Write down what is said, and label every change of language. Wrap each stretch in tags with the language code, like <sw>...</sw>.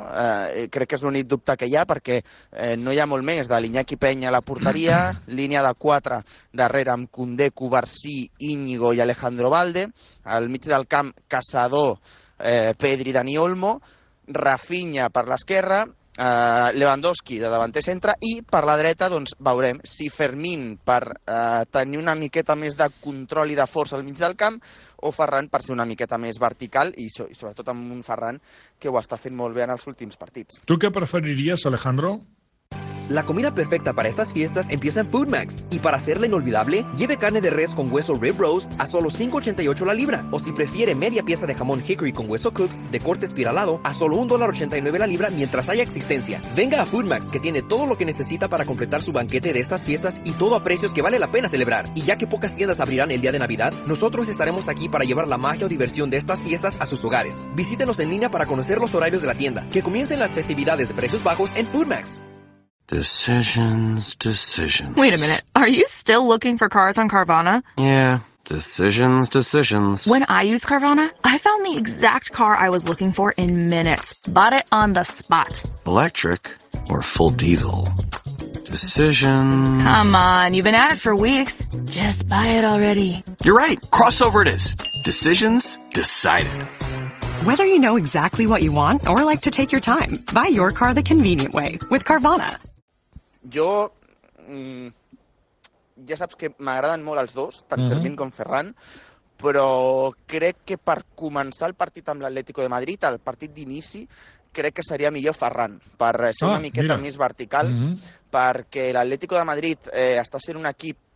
<ca>Crec que és l'únic dubte que hi ha, perquè no hi ha molt més de l'Iñaki Peña a la porteria, línia de 4 darrere amb Koundé, Cubarsí, Íñigo i Alejandro Valde, al mig del camp Casado, Pedri, Dani Olmo, Rafinha per l'esquerra, Lewandowski de davanter centre i per la dreta doncs veurem si Fermín per tenir una miqueta més de control i de força al mig del camp o Ferran per ser una miqueta més vertical i sobretot amb un Ferran que ho està fent molt bé en els últims partits. Tu què preferiries, Alejandro?</ca> <es>La comida perfecta para estas fiestas empieza en Food Max. Y para hacerla inolvidable, lleve carne de res con hueso Rib Roast a solo $5.88 la libra. O si prefiere media pieza de jamón Hickory con hueso Cooks de corte espiralado a solo $1.89 la libra mientras haya existencia. Venga a Food Max, que tiene todo lo que necesita para completar su banquete de estas fiestas y todo a precios que vale la pena celebrar. Y ya que pocas tiendas abrirán el día de Navidad, nosotros estaremos aquí para llevar la magia o diversión de estas fiestas a sus hogares. Visítenos en línea para conocer los horarios de la tienda, que comiencen las festividades de precios bajos en Food Max.</es> <en>Decisions, decisions. Wait a minute. Are you still looking for cars on Carvana? Yeah. Decisions, decisions. When I use Carvana, I found the exact car I was looking for in minutes. Bought it on the spot. Electric or full diesel? Decisions. Come on. You've been at it for weeks. Just buy it already. You're right. Crossover it is. Decisions decided. Whether you know exactly what you want or like to take your time, buy your car the convenient way with Carvana.</en> <ca>Jo, ja saps que m'agraden molt els dos, tant Fermín com Ferran, però crec que per començar el partit amb l'Atlético de Madrid, el partit d'inici, crec que seria millor Ferran, per ser una miqueta més vertical, perquè l'Atlético de Madrid està sent un equip</ca>